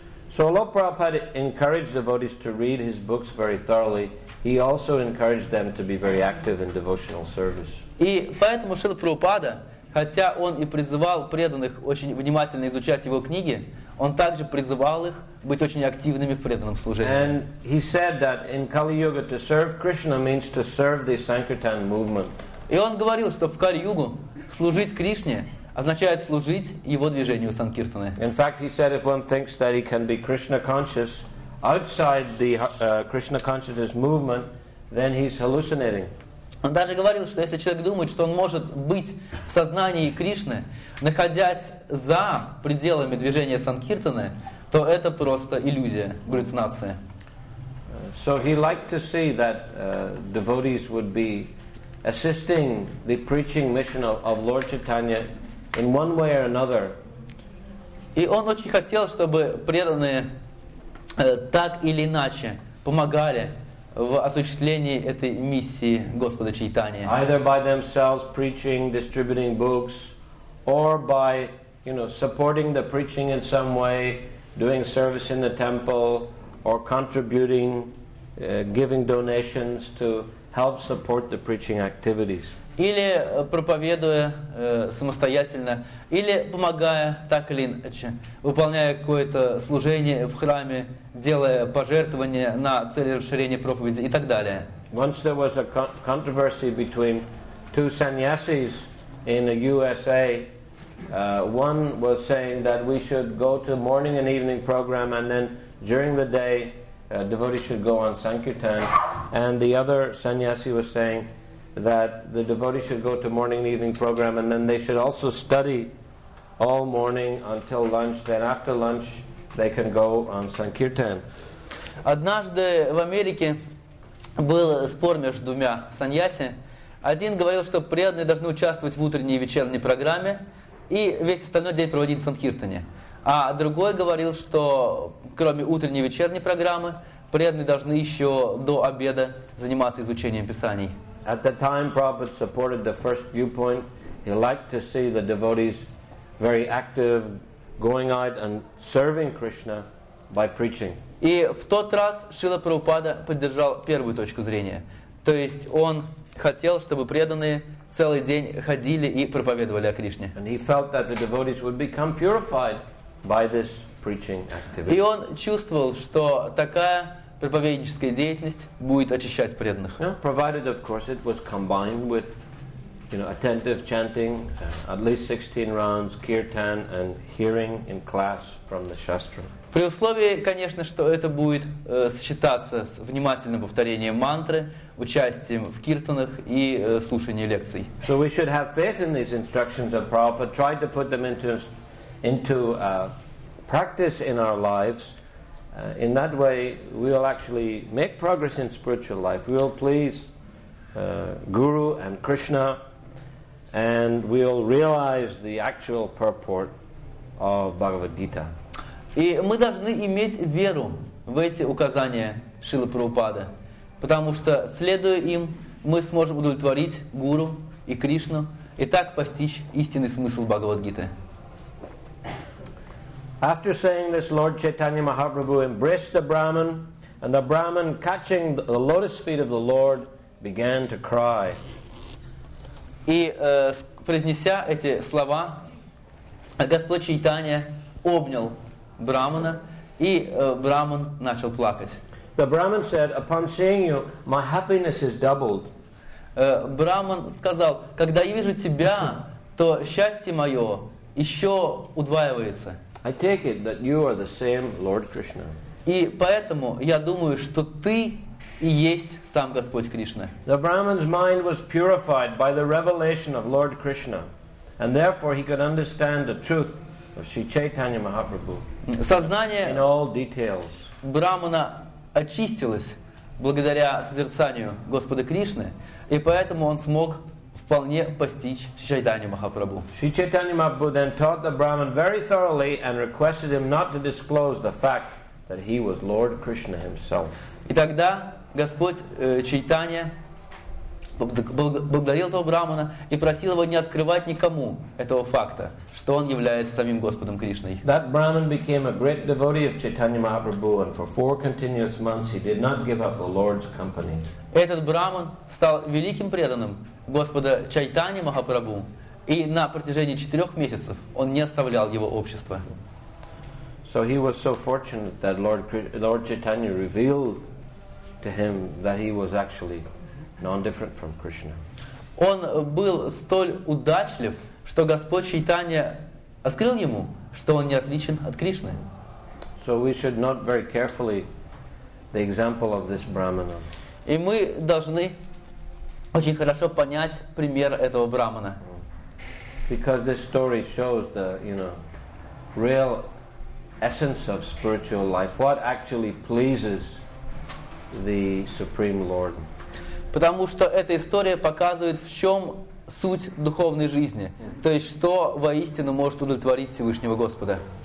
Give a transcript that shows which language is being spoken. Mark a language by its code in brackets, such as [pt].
[en] So Lord Prabhupada encouraged devotees to read his books very thoroughly. He also encouraged them to be very active in devotional service. [ru] И поэтому Шрила Прабхупада, хотя он и призывал преданных очень внимательно изучать его книги, он также призывал их быть очень активными в преданном служении. [en] And he said that in Kali-yuga to serve Krishna means to serve the Sankirtan movement. [ru] И он говорил, что в Кали-югу служить Кришне означает служить его движению Санкиртаны. [en] In fact, he said if one thinks that he can be Krishna conscious outside the Krishna consciousness movement, then he's hallucinating. [ru] Он даже говорил, что если человек думает, что он может быть в сознании Кришны, находясь за пределами движения Санкиртаны, то это просто иллюзия, галлюцинация. [en] So he liked to see that devotees would be assisting the preaching mission of Lord Chaitanya in one way or another, [ru] И он очень хотел, чтобы преданные так или иначе помогали в осуществлении этой миссии Господа Чайтаньи. [en] Either by themselves preaching, distributing books, or by, you know, supporting the preaching in some way, doing service in the temple, or contributing, giving donations to help support the preaching activities. [ru] Или проповедуя самостоятельно, или помогая так или иначе, выполняя какое-то служение в храме, делая пожертвования на цели расширения проповеди и так далее. [en] Once there was a controversy between two sannyasis in the USA. One was saying that we should go to morning and evening program, and then during the day, devotees should go on sankirtan. And the other sannyasi was saying that the devotees should go to morning and evening program, and then they should also study all morning until lunch. Then after lunch, they can go on sankirtan. [ru] Однажды в Америке был спор между двумя саньяси. Один говорил, что преданные должны участвовать в утренней и вечерней программе и весь остальной день проводить в санкиртане. А другой говорил, что кроме утренней и вечерней программы, преданные должны еще до обеда заниматься изучением писаний. [en] At the time, Prabhupada supported the first viewpoint. He liked to see the devotees very active, going out and serving Krishna by preaching. [ru] И в тот раз Шрила Прабхупада поддержал первую точку зрения. То есть он хотел, чтобы преданные целый день ходили и проповедовали о Кришне. [en] And he felt that the devotees would become purified by this preaching activity. [ru] И он чувствовал, что такая проповедническая деятельность будет очищать преданных. [en] Yeah, provided, of course, it was combined with, you know, attentive chanting, at least 16 rounds, kirtan, and hearing in class from the shastra. [ru] При условии, конечно, что это будет сочетаться с внимательным повторением мантры, участием в киртанах и слушанием лекций. [en] So we should have faith in these instructions of Prabhupada, try to put them into practice in our lives. In that way, we will actually make progress in spiritual life. We will please Guru and Krishna, and we will realize the actual purport of Bhagavad Gita. [ru] И мы должны иметь веру в эти указания Шрилы Прабхупады, потому что, следуя им, мы сможем удовлетворить Гуру и Кришну и так постичь истинный смысл Бхагавад-гиты. [en] After saying this, Lord Chaitanya Mahaprabhu embraced the Brahman, and the Brahman, catching the lotus feet of the Lord, began to cry. [ru] И, произнеся эти слова, Господь Чайтанья обнял Брахмана, и Брахман начал плакать. [en] The Brahman said, upon seeing you, my happiness is doubled. [ru] Брахман сказал, когда я вижу тебя, то счастье мое еще удваивается. [en] I take it that you are the same Lord Krishna. [ru] И поэтому я думаю, что ты и есть сам Господь Кришна. [en] The Brahman's mind was purified by the revelation of Lord Krishna, and therefore he could understand the truth of Sri Chaitanya Mahaprabhu. [ru] Сознание [en] in all details. [ru] Брахмана очистилось благодаря созерцанию Господа Кришны, и поэтому он смог вполне постичь Шри Чайтанью Махапрабху. [en] Sri Chaitanya Mahaprabhu then taught the Brahman very thoroughly and requested him not to disclose the fact that he was Lord Krishna himself. [ru] И тогда Господь Чайтанья благодарил этого Брахмана и просил его не открывать никому этого факта, что он является самим Господом Кришной. [en] That Brahman became a great devotee of Chaitanya Mahaprabhu, and for four continuous months he did not give up the Lord's company. [ru] Этот Брахман стал великим преданным Господа Чайтанья Махапрабху, и на протяжении 4 месяцев он не оставлял его общества. [en] So he was so fortunate that Lord Chaitanya revealed to him that he was actually non-different from Krishna. [ru] Он был столь удачлив, что Господь Чайтанья открыл ему, что он не отличен от Кришны. [en] So we should note very carefully the example of this Brahmana. [ru] И мы должны очень хорошо понять пример этого Брахмана. [en] Because this story shows the, you know, real essence of spiritual life. What actually pleases the Supreme Lord. [ru] Потому что эта история показывает, в чем суть духовной жизни. То есть, что воистину может удовлетворить Всевышнего Господа.